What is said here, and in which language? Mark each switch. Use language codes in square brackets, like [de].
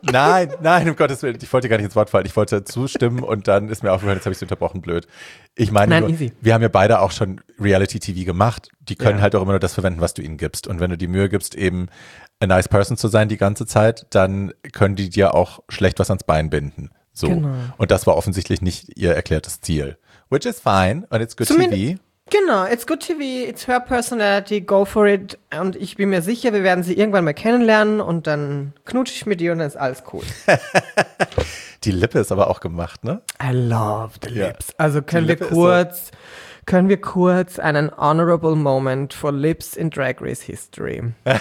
[de] Nein, um Gottes Willen, ich wollte gar nicht ins Wort fallen, ich wollte zustimmen und dann ist mir aufgefallen, jetzt habe ich es unterbrochen, blöd. Ich meine, wir haben ja beide auch schon Reality-TV gemacht, die können halt auch immer nur das verwenden, was du ihnen gibst. Und wenn du die Mühe gibst, eben [en] a nice person [de] zu sein die ganze Zeit, dann können die dir auch schlecht was ans Bein binden. So. Genau. Und das war offensichtlich nicht ihr erklärtes Ziel. [en] Which is fine and it's good TV. Genau, it's good TV, it's her personality, go for it. [de] Und ich bin mir sicher, wir werden sie irgendwann mal kennenlernen und dann knutsche ich mit ihr und dann ist alles cool. Die Lippe ist aber auch gemacht, ne? [en] I love the lips. [de] Also können wir kurz einen [en] honorable moment for lips [de] in Drag Race History.